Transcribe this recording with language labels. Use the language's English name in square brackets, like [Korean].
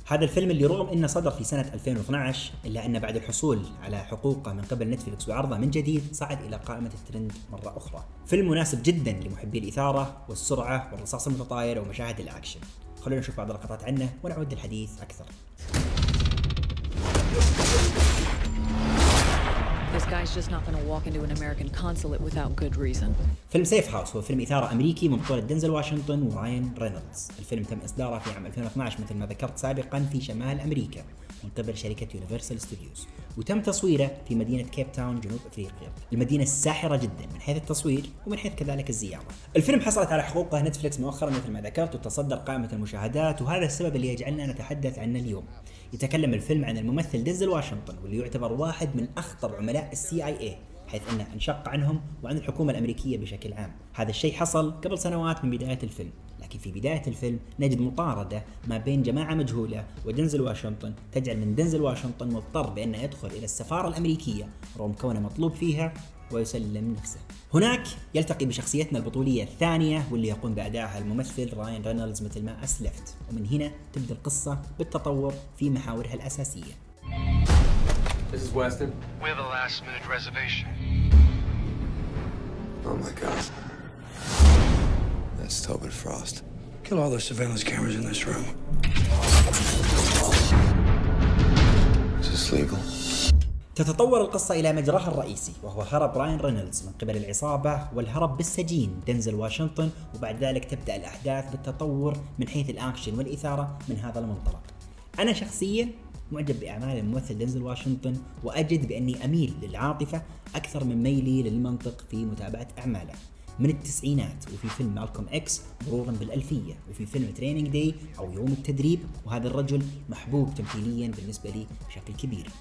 [Arabic] هذا الفيلم اللي رغم أنه صدر في سنة 2012 إلا أنه بعد الحصول على حقوقه من قبل نتفليكس وعرضه من جديد صعد إلى قائمة الترند مرة أخرى. فيلم مناسب جداً لمحبي الإثارة والسرعة والرصاص المتطاير ومشاهد الأكشن. خلونا نشوف بعض اللقطات عنه ونعود للحديث أكثر. [English] This guy's just not going to walk into an American consulate without good reason. [Arabic] فيلم سيف هاوس هو فيلم إثارة أمريكي من بطولة دينزل واشنطن وراين رينولدز. الفيلم تم إصداره في عام 2012 مثل ما ذكرت سابقا في شمال أمريكا من قبل شركة يونيفرسال ستوديوز، وتم تصويره في مدينة كيب تاون جنوب أفريقيا، المدينة الساحرة جدا من حيث التصوير ومن حيث كذلك الزيارة. الفيلم حصلت على حقوقه نتفليكس مؤخرا مثل ما ذكرت وتصدر قائمة المشاهدات، وهذا السبب اللي يجعلنا نتحدث عنه اليوم. يتكلم الفيلم عن الممثل دينزل واشنطن واللي يعتبر واحد من أخطر عملاء CIA، حيث أنه انشق عنهم وعن الحكومة الأمريكية بشكل عام. هذا الشيء حصل قبل سنوات من بداية الفيلم، لكن في بداية الفيلم نجد مطاردة ما بين جماعة مجهولة ودينزل واشنطن تجعل من دينزل واشنطن مضطر بأنه يدخل إلى السفارة الأمريكية رغم كونه مطلوب فيها ويسلم نفسه. هناك يلتقي بشخصيتنا البطولية الثانية واللي يقوم بأدائها الممثل راين رينولدز مثل ما أسلفت، ومن هنا تبدأ القصة بالتطور في محاورها الأساسية. [English] This is Weston. We have a last minute reservation. Oh my god. That's Tobin Frost. Kill all the surveillance cameras in this room. Is this legal? [Arabic] تتطور القصة إلى مجراها الرئيسي وهو هرب راين رينولدز من قبل العصابة والهرب بالسجين دينزل واشنطن، وبعد ذلك تبدأ الأحداث بالتطور من حيث الأكشن والإثارة من هذا المنطلق. أنا شخصيا معجب بأعمال الممثل دينزل واشنطن وأجد بأني أميل للعاطفة أكثر من ميلي للمنطق في متابعة أعماله من التسعينات وفي فيلم مالكوم إكس مرورا بالألفية وفي فيلم ترينينج داي أو يوم التدريب، وهذا الرجل محبوب تمثيليا بالنسبة لي بشكل كبير.